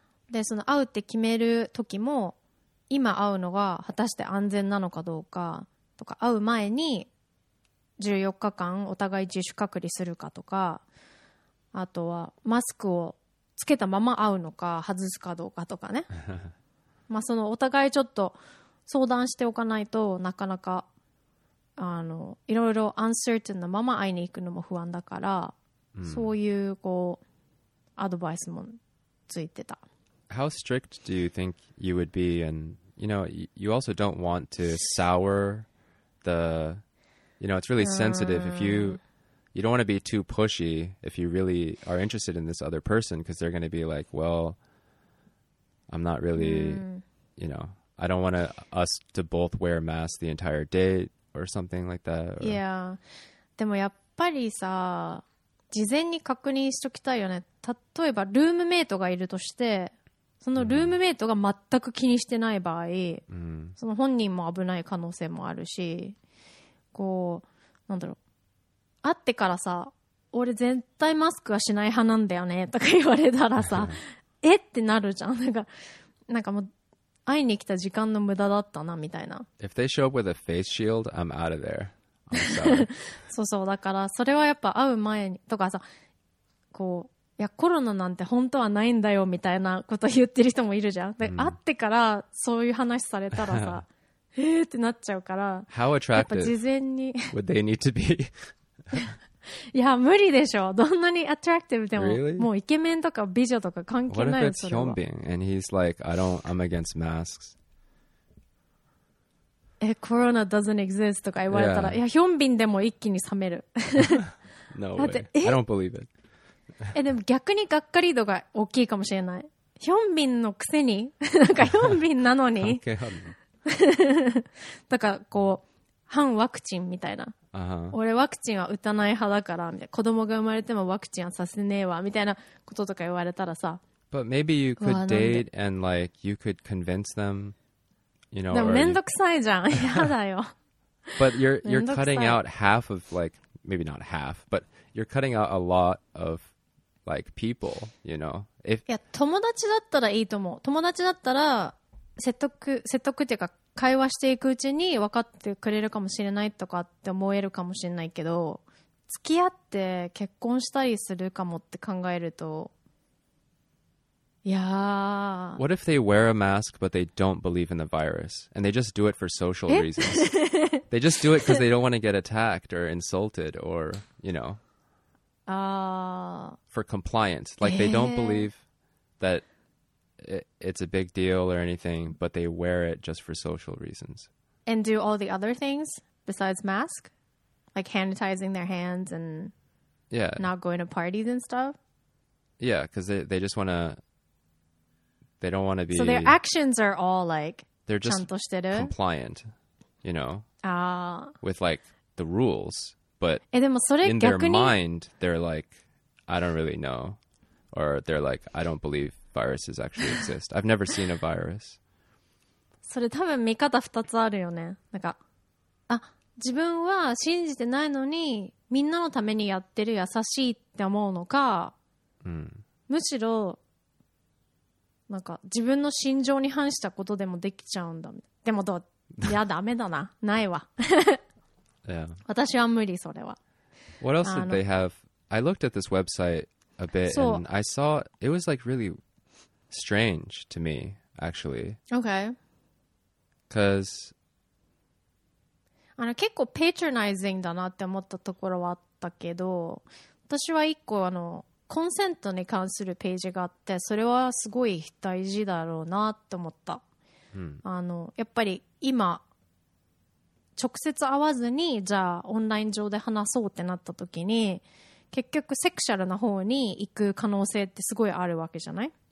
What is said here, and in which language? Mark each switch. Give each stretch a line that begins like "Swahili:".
Japanese: でその会うって決める時も今会うのが果たして安全なのかどうかとか、会う前に14日間お互い自主隔離するかとか、あとはマスクをつけたまま会うのか外すかどうかとかね。まあそのお互いちょっと相談しておかないと、なかなかいろいろアンサーティンなまま会いに行くのも不安だから、うん、そういうこうアドバイスもついてた。
English: How strict do you think you would be? And you know, you also don't want to sour the, you know, it's really sensitive if you don't want to be too pushy if you really are interested in this other person, because they're going to be like, well, I'm not really, you know, I don't want us to both wear masks the entire date or something like that. Or... Yeah.
Japanese: でもやっぱりさ、事前に確認しときたいよね。例えばルームメイトがいるとして、そのルームメイトが全く気にしてない場合、その本人も危ない可能性もあるし、こう、なんだろう。会ってからさ、俺絶対マスクはしない派なんだよねとか言われたらさ、えってなるじゃん。なんかもう会いに来た時間の無駄だったなみたいな。
English: If they show up with a face shield, I'm out of there.
Japanese: そうそう、だからそれはやっぱ会う前にとかさ、こう、いやコロナなんて本当はないんだよみたいなこと言ってる人もいるじゃん。で、会ってからそういう話されたらさ、えってなっちゃうから。
English: How attractive?
Japanese: やっぱ事前に
English: would they need to be?
Japanese: いや無理でしょ、どんなにアトラクティブでも、
English: really?
Japanese: もうイケメンとか美女とか関係ないよ。
English: What if it's Hyunbin and he's like, I don't, I'm against masks.
Japanese: え、コロナ
English: doesn't exist
Japanese: とか言われたら、
English: yeah.
Japanese: いやヒョンビンでも一気に冷める。
English: No way. I don't believe it.
Japanese: え、でも逆にがっかり度が大きいかもしれない。ヒョンビンのくせになんかヒョンビンなのに関係あるのだからこう反ワクチンみたいな、 uh-huh. 俺ワクチンは打たない派だからみたいな、子供が生まれてもワクチンはさせねえわみたいなこととか言われたらさ、
English: But maybe you could date and like you could convince them, you know,
Japanese: でもめんどくさいじゃん、やだよ。
English: But you're cutting out half of like maybe not half, but you're cutting out a lot of like people, you know. If
Japanese: いや友達だったらいいと思う。友達だったら説得っていうか会話していくうちに分かってくれるかもしれないとかって思えるかもしれないけど、付き合って結婚したりするかもって考えると。
English: Yeah. What if they wear a mask but they don't believe in the virus and they just do it for social reasons? They just do it because they don't want to get attacked or insulted or, you know, for compliance. Like they don't believe that it's a big deal or anything, but they wear it just for social reasons. And do all the other things besides mask, like sanitizing their hands and not going to parties and stuff. Yeah, because they just want to. They don't want to be... So their actions are all like... They're just compliant, you know? With like the rules. But in their mind, they're like, I don't really know. Or they're like, I don't believe viruses actually exist. I've never seen a virus.
Japanese: それ多分見方二つあるよね。なんか、あ、自分は信じてないのに、みんなのためにやってる優しいって思うのか、むしろ、なんか自分の心情に反したことでもできちゃうんだ。でもどう、いやダメだな、ないわ。
English: Yeah.
Japanese: 私は無理それは。
English: What else did they have? I looked at this website a bit and I saw it was like really strange to me actually. Okay. Because
Japanese: 結構 patronizing だなって思ったところはあったけど、私は一個コンセントに関するページがあって、それはすごい大事だろうなって思った、 hmm. やっぱり今直接会わずにじゃあオンライン上で話そうってなった時に結局セクシャルな方に行く可能性ってすごいあるわけじゃない、